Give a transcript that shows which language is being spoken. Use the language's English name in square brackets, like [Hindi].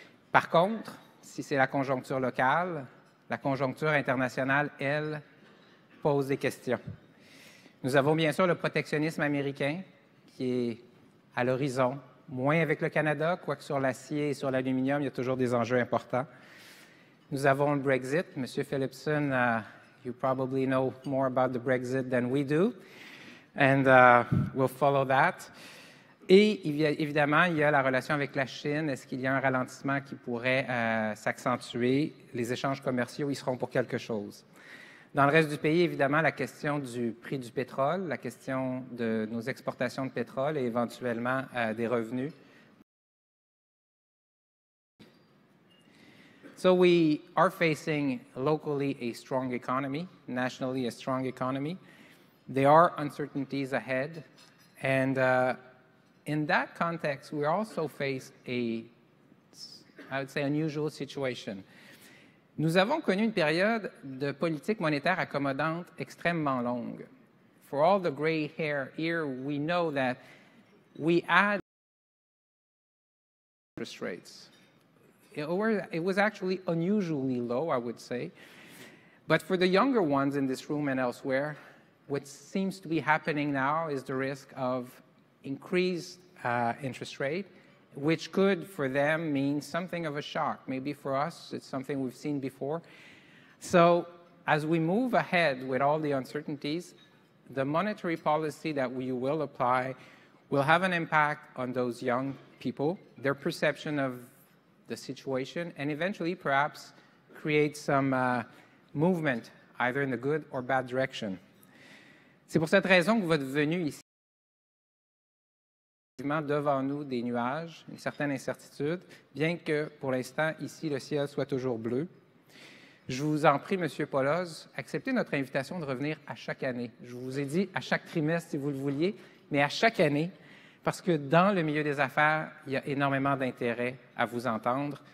[French] Par contre, si c'est la conjoncture locale, la conjoncture internationale, elle, pose des questions. Nous avons bien sûr le protectionnisme américain qui est à l'horizon, moins avec le Canada, quoique sur l'acier et sur l'aluminium, il y a toujours des enjeux importants. Nous avons le Brexit. [English] Monsieur Philipson, you probably know more about the Brexit than we do, and we'll follow that. [French] Et évidemment, il y a la relation avec la Chine. Est-ce qu'il y a un ralentissement qui pourrait s'accentuer? Les échanges commerciaux, ils seront pour quelque chose. Dans le reste du pays, évidemment, la question du prix du pétrole, la question de nos exportations de pétrole et éventuellement des revenus. [English] So we are facing locally a strong economy, nationally a strong economy. There are uncertainties ahead. And in that context, we also face a, I would say, unusual situation. [French] Nous avons connu une période de politique monétaire accommodante extrêmement longue. [English] For all the gray hair here, we know that we had interest rates. It was actually unusually low, I would say. But for the younger ones in this room and elsewhere, what seems to be happening now is the risk of increased interest rate, which could, for them, mean something of a shock. Maybe for us, it's something we've seen before. So, as we move ahead with all the uncertainties, the monetary policy that we will apply will have an impact on those young people, their perception of the situation, and eventually, perhaps, create some movement, either in the good or bad direction. [French] C'est pour cette raison que votre venue ici devant nous des nuages, une certaine incertitude, bien que pour l'instant, ici, le ciel soit toujours bleu. Je vous en prie, M. Poloz, acceptez notre invitation de revenir à chaque année. Je vous ai dit à chaque trimestre, si vous le vouliez, mais à chaque année, parce que dans le milieu des affaires, il y a énormément d'intérêt à vous entendre.